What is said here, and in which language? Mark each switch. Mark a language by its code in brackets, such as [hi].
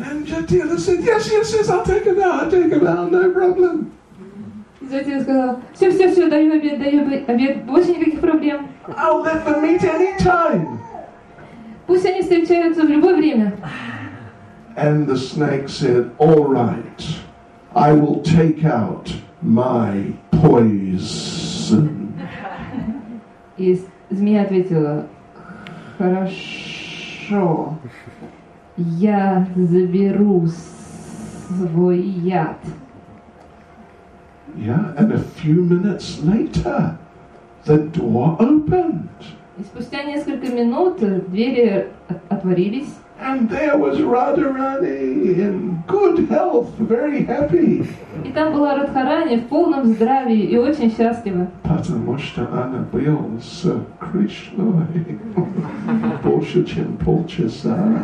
[en] And Jatila said, yes, I'll take a vow, no problem. [ru] Jatila сказала, все, даю обед, больше никаких проблем. [en] I'll let them meet any time. [ru] Пусть они встречаются в любое время. [en] And the snake said, all right, I will take out my poison. [ru] И змея ответила, хорошо, я заберу свой яд. [en] Yeah, and a few minutes later, the door opened. [ru] И спустя несколько минут двери отворились. [en] And there was Radharani in good health, very happy. [ru] И там была Радхарани в полном здравии и очень счастлива. Потому что она была с Кришной больше, чем полчаса.